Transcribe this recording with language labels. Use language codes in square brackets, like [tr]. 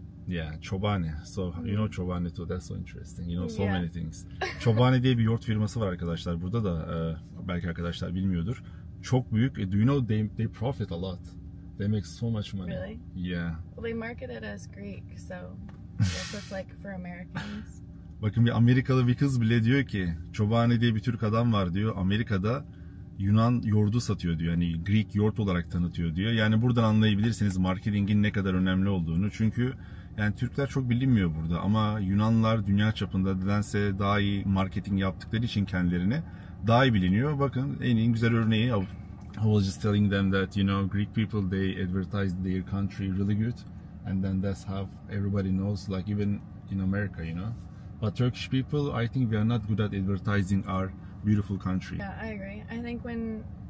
[en] Yeah, Çobani. So, you know Çobani too. That's so interesting. You know so yeah. many things. [tr] Çobani diye bir yoğurt firması var arkadaşlar. Burada da belki arkadaşlar bilmiyordur. Çok büyük. [en] Do you know they profit a lot? They make so much money. Really? Yeah. Well, they market it as Greek, so that's what it's like for Americans. [tr] Bakın, bir Amerikalı bir kız bile diyor ki, Çobani diye bir Türk adam var diyor, Amerika'da Yunan yoğurdu satıyor diyor. Yani Greek yoğurt olarak tanıtıyor diyor. Yani buradan anlayabilirsiniz marketingin ne kadar önemli olduğunu. Çünkü yani Türkler çok bilinmiyor burada ama Yunanlar dünya çapında nedense daha iyi marketing yaptıkları için kendilerini daha iyi biliniyor. Bakın, en iyi güzel örneği. [en] I was just telling them that, you know, Greek people, they advertise their country really good. And then that's how everybody knows, like even in America, you know. But Turkish people, I think we are not good at advertising our beautiful country. Yeah, I agree. I think when